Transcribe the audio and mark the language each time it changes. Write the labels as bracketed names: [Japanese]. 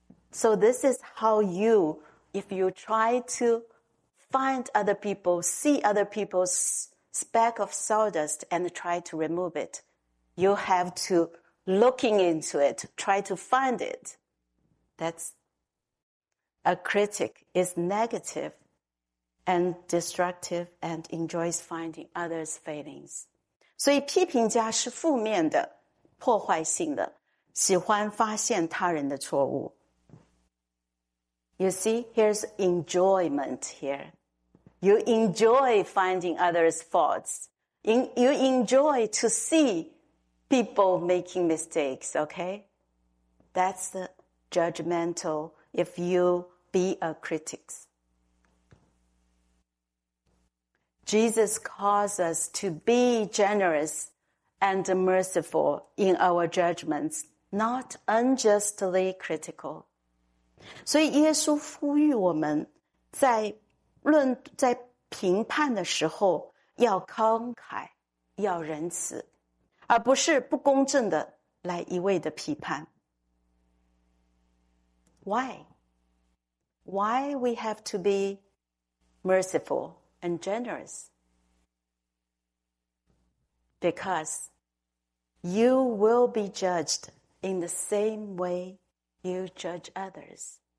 [English] So this is how you, if you try to find other people, see other people's speck of sawdust and try to remove it. You have to looking into it, try to find it. That's a critic is negative and destructive and enjoys finding others' failings. [Chinese] 所以批评家是负面的，破坏性的，喜欢发现他人的错误。 [English] You see, here's enjoyment here. You enjoy finding others' faults. You enjoy to seepeople making mistakes, okay? That's the judgmental if you be a critic. Jesus calls us to be generous and merciful in our judgments, not unjustly critical. [Chinese] 所以耶稣呼吁我们在论在评判的时候要慷慨，要仁慈。而不是不公正的来一味的批判。 [English] Why? Why we have to be merciful and generous? Because you will be judged in the same way you judge others.